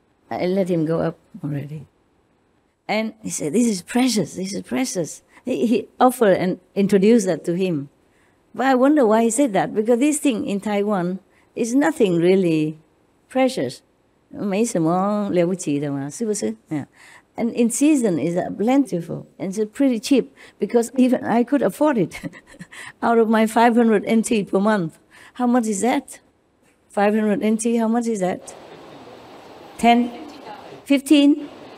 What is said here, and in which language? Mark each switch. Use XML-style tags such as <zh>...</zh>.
<en>I let him go up already. And he said, this is precious, this is precious. He offered and introduced that to him. But I wonder why he said that, because this thing in Taiwan is nothing really precious.</en> <zh>没什么了不起的嘛，是不是?</zh> <en>Yeah. And in season is plentiful, and it's pretty cheap, because even I could afford it out of my 500 NT per month. How much is that? 500 NT, how much is that? 10? 15?</en>